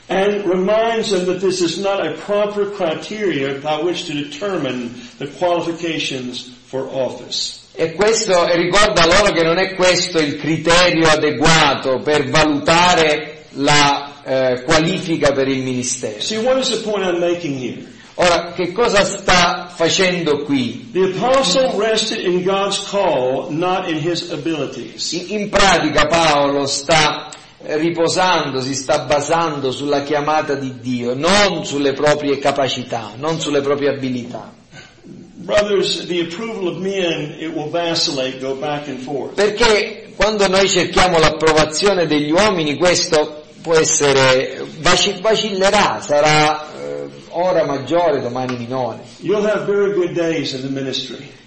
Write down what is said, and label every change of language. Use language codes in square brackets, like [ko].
[en] And reminds them that this is not a proper criteria by which to determine the qualifications for office. [it] E questo ricorda loro che non è questo il criterio adeguato per valutare la qualifica per il ministero. [en] See, what is the point I'm making here? [it] Ora, che cosa sta facendo qui? [en] The apostle rested in God's call, not in his abilities. [it] In pratica Paolo sta riposando, si sta basando sulla chiamata di Dio, non sulle proprie capacità, non sulle proprie abilità. [en] Brothers, the approval of men, it will vacillate, go back and forth. [it] Perché quando noi cerchiamo l'approvazione degli uomini, questo può essere vacillerà, sarà ora maggiore, domani minore. [en] You'll have very good days in the ministry.